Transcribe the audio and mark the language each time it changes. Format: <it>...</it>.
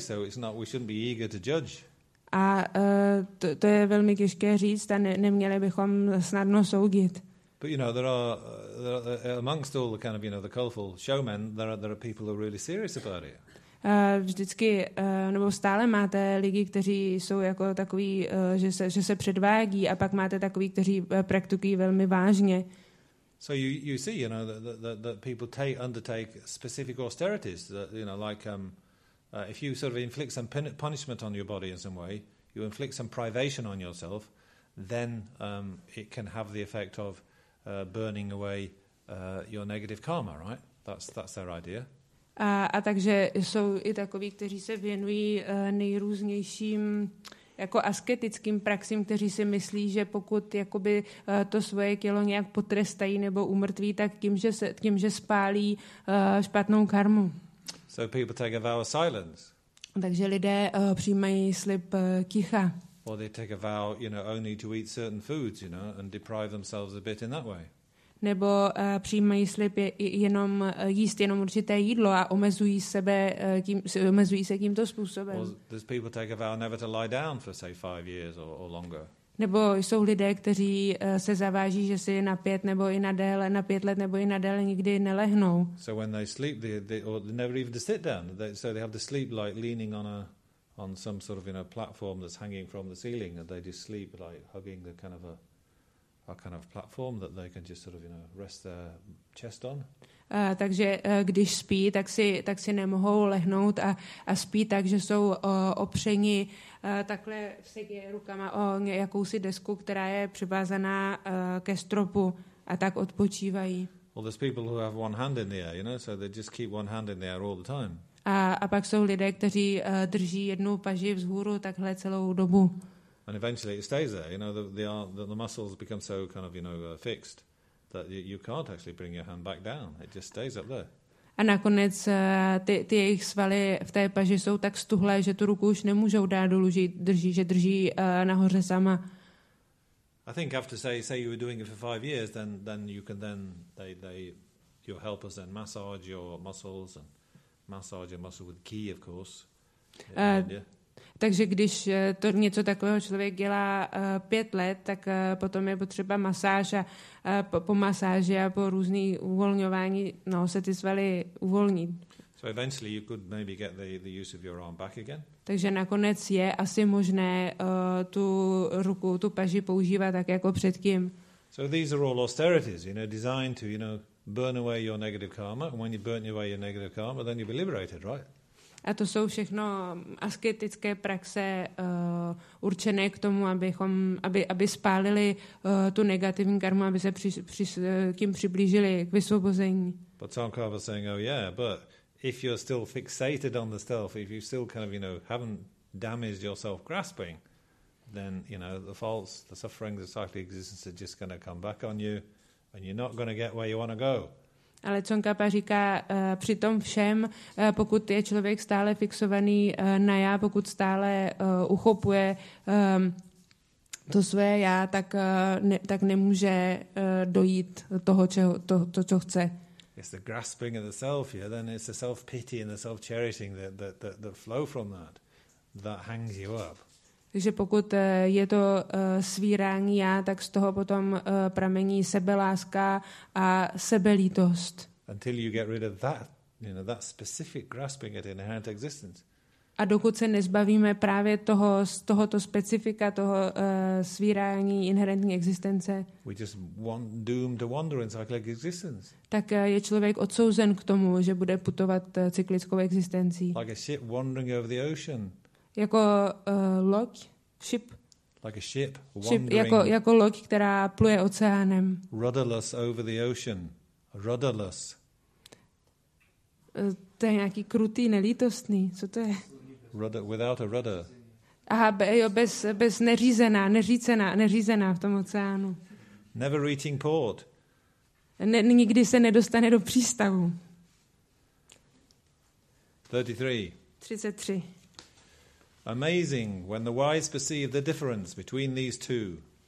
<en>So it's not. We shouldn't be eager to judge.</en> <cs>A to je velmi těžké říct a neměli bychom snadno soudit.</cs> <en>But you know, there are amongst all the kind of, you know, the colorful showmen, there are people who are really serious about it.</en> <cs>Vždycky, nebo stále máte lidi, kteří jsou jako takový, že se předvádí, a pak máte takový, kteří praktikují velmi vážně.</cs> <en>So you see, you know, that people undertake specific austerities, that, you know, like if you sort of inflict some punishment on your body in some way, you inflict some privation on yourself, then it can have the effect of burning away your negative karma, right? That's their idea.</en> <cs>A takže jsou i takoví, kteří se věnují nejrůznějším jako asketickým praxím, kteří si myslí, že pokud jakoby to svoje tělo nějak potrestají nebo umrtví, tak tím, že spálí špatnou karmu.</cs> <en>So people take a vow of silence.</en> <cs>Takže lidé přijímají slib ticha.</cs> <en>Or they take a vow, you know, only to eat certain foods, you know, and deprive themselves a bit in that way.</en> <cs>Nebo přijímají slib jenom jíst určité jídlo a omezují se tímto způsobem.</cs> <en>Or does people take a vow never to lie down for say 5 years or longer?</en> <cs>Nebo jsou lidé, kteří se zaváží, že si na pět let nebo i na déle nikdy nelehnou.</cs> <en>So when they sleep, they never even sit down. So they have to sleep like leaning on some sort of, you know, platform that's hanging from the ceiling, and they just sleep like hugging the kind of a kind of platform that they can just sort of, you know, rest their chest on.</en> <cs>Takže když spí, tak si nemohou lehnout a spí tak, že jsou opřeni takhle v sedě rukama o jakousi desku, která je přivázaná ke stropu, a tak odpočívají.</cs> <en>Well, there's people who have one hand in the air, you know, so they just keep one hand in the air all the time.</en> <cs>A pak jsou lidé, kteří drží jednu paži vzhůru takhle celou dobu.</cs> <en>And eventually it stays there, you know, the muscles become so kind of, you know, fixed that you can't actually bring your hand back down. It just stays up there.</en> <cs>A nakonec ty jejich svaly v té paži jsou tak stuhlé, že tu ruku už nemůžou dát dolů, že drží nahoře sama.</cs> <en>I think after say you were doing it for 5 years, then you can then they your helpers then massage your muscles and massage your muscle with ghee, of course.</en> <cs>Takže když to něco takového člověk dělá 5 let, tak potom je potřeba masáž a po masáži a po různý uvolňování, no, se ty svaly uvolní.</cs> <en>So eventually you could maybe get the use of your arm back again.</en> <cs>Takže nakonec je asi možné tu ruku, tu paži používat tak jako předtím.</cs> <en>So these are all austerities, you know, designed to, you know, burn away your negative karma, and when you burn away your negative karma, then you'll be liberated, right?</en> <cs>A to jsou všechno asketické praxe určené k tomu, aby spálili tu negativní karmu, aby se tím přiblížili k vysvobození.</cs> <en>But some people are saying, oh yeah, but if you're still fixated on the self, if you still kind of, you know, haven't damaged your self-grasping, then, you know, the faults, the sufferings of cyclic existence are just going to come back on you and you're not going to get where you want to go.</en> <cs>Ale Tsongkhapa říká, při tom všem, pokud je člověk stále fixovaný na já, pokud stále uchopuje to své já, tak nemůže dojít toho, co chce.</cs> <en>It's the grasping of the self, yeah? Then it's the self-pity and the self-cherishing that flow from that, that hangs you up.</en> <cs>Takže pokud je to svírání já, tak z toho potom pramení sebeláska a sebelítost.</cs> <en>Until you get rid of that, you know, that specific grasping at inherent existence.</en> <cs>A dokud se nezbavíme právě toho, z tohoto specifika, toho svírání inherentní existence,</cs> <en>we just want doomed to wander in cyclic existence.</en> <cs>Tak je člověk odsouzen k tomu, že bude putovat cyklickou existencí.</cs> <en>Like a ship wandering over the ocean.</en> <cs>Jako loď, ship.</cs> <en>Like a ship wandering.</en> <cs>Jako loď, která pluje oceánem.</cs> <en>Rudderless over the ocean. Rudderless.</en> <cs>To je nějaký krutý, nelítostný. Co to je?</cs> <en>Rudder, without a rudder.</en> <cs>Aha, jo, bez neřízená, neřícená, neřízená v tom oceánu.</cs> <en>Never reaching port.</en> <cs>Nikdy se nedostane do přístavu.</cs> <en>33. Amazing when the wise perceive the difference between these two.</en>